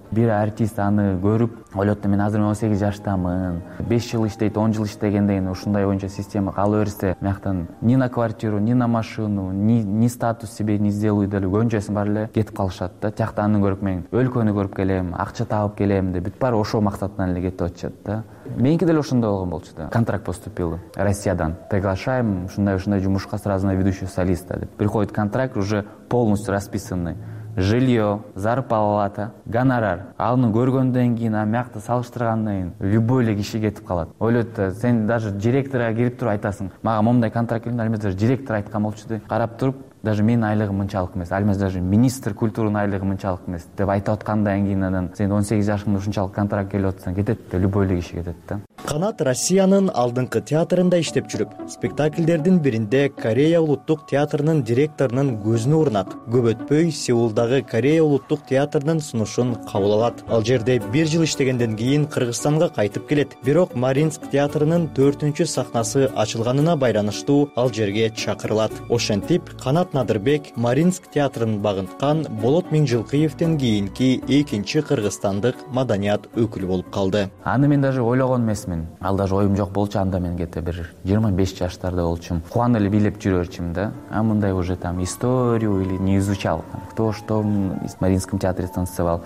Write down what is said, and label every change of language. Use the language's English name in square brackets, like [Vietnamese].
[Kyrgyz] Бир артист аны көрүп ойлот да, мен азыр 18 жаштамын, 5 жыл иштейт, 10 жыл иштеген деген ушундай боюнча система кала берсе, мыяктан [Russian] ни на квартиру, ни на машину, ни статус себе не сделаю [Kyrgyz] деле көнчөсүн бар эле кетип калышат да. Тиякта аны көрүп мен өлкөнү көрүп келем, акча табып келем деп бүт баары ошол максатынан эле кетип атышат да. Меники деле ошондой болгон болчу да. [Russian] Контракт поступил Россиядан. Приглашаем, [Kyrgyz] ушундай жумушка [Russian] сразу на ведущего солиста. Приходит контракт, уже полностью расписанный. Жилье, зарплата, гонорар. [Kyrgyz] Аны көргөндөн кийин, мыякта салыштыргандан кийин любой эле киши кетип калат. Ойлот да, сен даже директорго кирип туруп айтасың, мага момундай контракт келди, алмес даже директор айткан болчу деп карап туруп, даже менин айлыгым мынчалык эмес, алмес даже министр культуранын айлыгы мынчалык эмес деп айтып аткандан кийин, анан сен 18 жашыңда ушунчалык контракт келип атсаң кетет да, любой эле киши кетет да. Канат Россиянын алдыңкы театрында иштеп жүрүп, спектакльдердин биринде Корея улуттук театрынын директорунун көзүнө урнат. Көп өтпөй Сеулдагы Корея улуттук театрынын сунушун кабыл алат. Ал жерде бир жыл иштегенден кийин Кыргызстанга кайтып келет. Бирок Мариинск театрынын 4-чү сахнасы ачылганына байланыштуу ал жерге чакырылат. Ошентип Канат Надырбек Мариинск театрын багынткан Болот Минжылкыевтен кийинки экинчи кыргызстандык маданият өкүлү болуп калды. Аны мен даже ойлогон эмес. Мен ал даже оюм жок болчу, анда мен кете бир 25 жаштарда болчум, кубан эле бийлеп жүрөрчүмүн да. [Russian] А [Kyrgyz] мындай [Russian] уже там историю или не изучал, кто что в Мариинском театре танцевал.